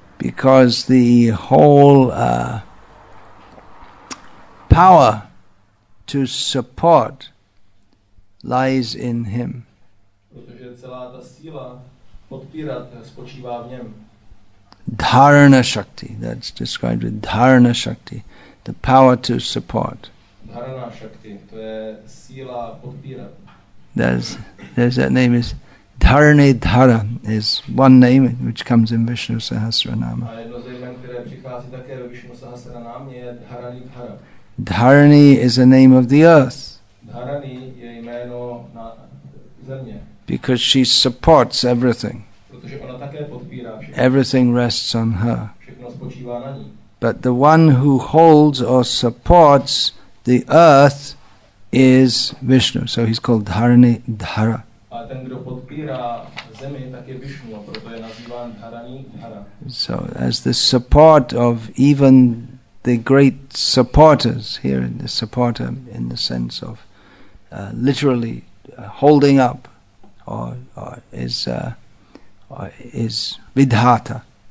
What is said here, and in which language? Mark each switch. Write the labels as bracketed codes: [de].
[en] Because the whole power to support lies in him. [cs] Protože celá ta síla podpírat spočívá v něm. [en] Dharana Shakti, that's described with Dharana Shakti, the power to support. [cs] Dharana Shakti, to je síla podpírat. [en] There's that name is Dharani Dhara, is one name which comes in Vishnu Sahasranama. [cs] A jedno z jmen, které přichází také do Vishnu Sahasranama, je Dharani Dhara. [en] Dharani is a name of the earth. [cs] Dharani je jméno na země. [en] because she supports everything. [cs] Protože ona také podpírá všechno. [en] Everything rests on her. [cs] Všechno spočívá na ní. [en] But the one who holds or supports the earth is Vishnu. So he's called Dharani Dhara. [cs] A ten, kdo podpírá zemi, tak je Vishnu, a proto je nazýván Dharani Dhara. [en] So as the support of even the great supporters here, in the supporter in the sense of literally holding up, or is Vidhata.